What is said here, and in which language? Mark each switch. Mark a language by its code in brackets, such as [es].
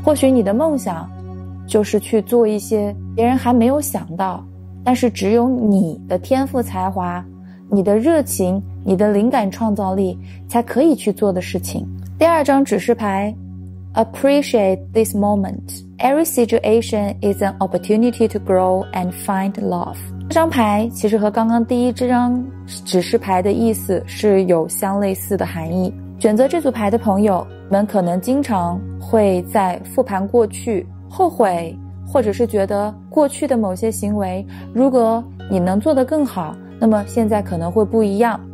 [zh] 或许你的梦想就是去做一些别人还没有想到，但是只有你的天赋才华、你的热情、你的灵感创造力才可以去做的事情。第二张指示牌， [en] Appreciate this moment. Every situation is an opportunity to grow and find love. [zh] 这张牌其实和刚刚第一张指示牌的意思是有相类似的含义。选择这组牌的朋友们可能经常会在复盘过去，后悔，或者是觉得过去的某些行为，如果你能做得更好，那么现在可能会不一样，